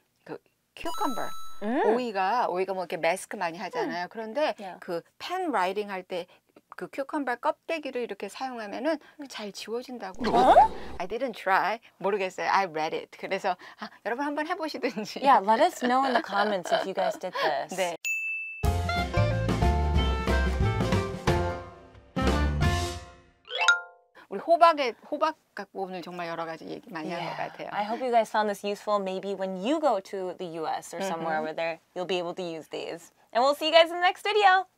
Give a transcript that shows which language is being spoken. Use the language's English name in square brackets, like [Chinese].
[Korean] 그 cucumber. 오이가 뭐 이렇게 마스크 많이 하잖아요. 그런데 yeah. 그 펜 라이팅 할 때 그 cucumber 껍데기를 이렇게 사용하면은 잘 지워진다고. 어? [English] I didn't try. [Korean] 모르겠어요. [English] I read it. [Korean] 그래서 아, 여러분 한번 해보시든지. [English] Yeah, let us know in the comments if you guys did this. [Korean] 네. 우리 호박 갖고 오늘 정말 여러 가지 얘기 많이 [English] yeah. [Korean] 한 것 같아요. [English] I hope you guys found this useful. Maybe when you go to the US or somewhere over there, you'll be able to use these. And we'll see you guys in the next video.